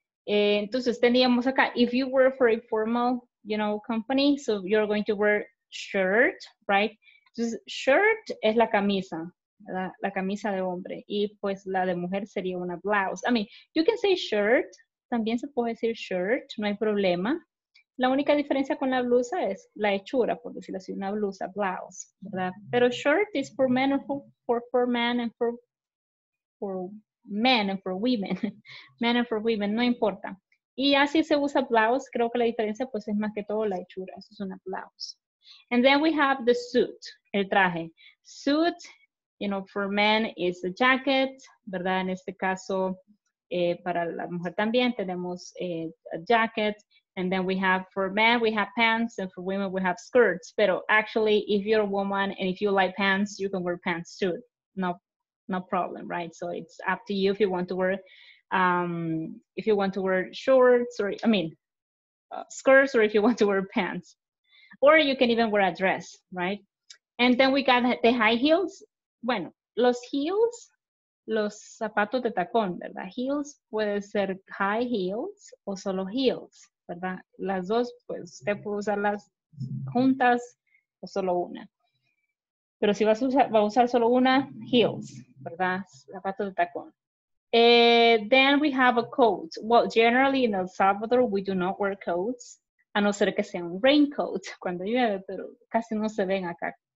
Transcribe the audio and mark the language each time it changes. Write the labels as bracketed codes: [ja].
[es] Entonces, teníamos acá, [en] if you work for a formal, you know, company, so you're going to wear shirt, right? [es] Entonces, shirt es la camisa, la camisa de hombre, y pues la de mujer sería una blouse. [en] I mean, you can say shirt, [es] también se puede decir shirt, no hay problema. La única diferencia con la blusa es la hechura, por decirlo así, una blusa, blouse, ¿verdad? [en] Pero shirt is for men and for men and for men and for women. Men and for women, [es] no importa. Y así se usa blouse, creo que la diferencia pues es más que todo la hechura, eso es una blouse. [en] And then we have the suit, [es] el traje. [en] Suit, you know, for men is a jacket, ¿verdad? [es] En este caso, para la mujer también tenemos a jacket. [en] And then we have, for men, we have pants, and for women, we have skirts. Pero actually, if you're a woman and if you like pants, you can wear pants too. No problem, right? So it's up to you if you want to wear, if you want to wear shorts, or, I mean, skirts, or if you want to wear pants. Or you can even wear a dress, right? And then we got the high heels. [es] Bueno, los heels, los zapatos de tacón, ¿verdad? Heels puede ser high heels o solo heels, ¿verdad? Las dos, pues, usted puede usarlas juntas o solo una. Pero si va a usar solo una, heels, ¿verdad? Zapatos de tacón. [en] Then we have a coat. Well, generally in El Salvador, we do not wear coats. [es] A no ser que sea un raincoat cuando llueve, pero casi no se ven acá.